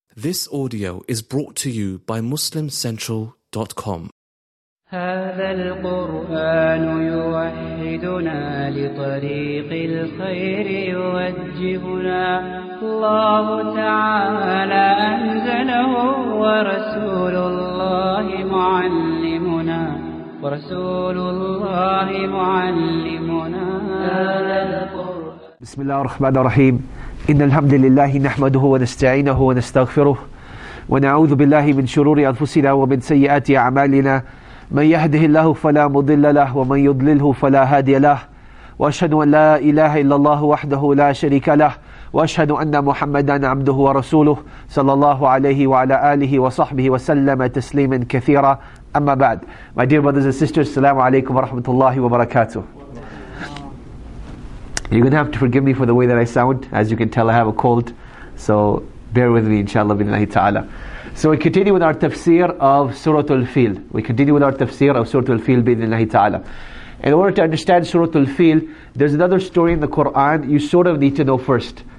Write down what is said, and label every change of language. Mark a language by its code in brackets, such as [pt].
[en] This audio is brought to you by MuslimCentral.com. [ar] هذا القرآن يوحدنا لطريق الخير يوجهنا الله تعالى أنزله ورسول الله معلمنا ورسول الله معلمنا هذا القرآن. بسم الله الرحمن الرحيم. إن الحمد لله نحمده ونستعينه ونستغفره ونعوذ بالله من شرور أنفسنا ومن سيئات أعمالنا. من يهده الله فلا مضل له ومن يضلله فلا هادي له. وأشهد أن لا إله إلا الله وحده لا شريك له وأشهد أن محمدا عبده ورسوله صلى الله عليه وعلى آله وصحبه وسلم تسليما كثيرا. أما بعد, [en] my dear brothers and sisters, [ar] السلام عليكم ورحمة الله وبركاته. [en] You're going to have to forgive me for the way that I sound. As you can tell, I have a cold. So bear with me, inshallah, bi'nillahi ta'ala. So we continue with our tafsir of Surah Al-Fil. Bi'nillahi ta'ala. In order to understand Surah Al-Fil, there's another story in the Quran you sort of need to know first.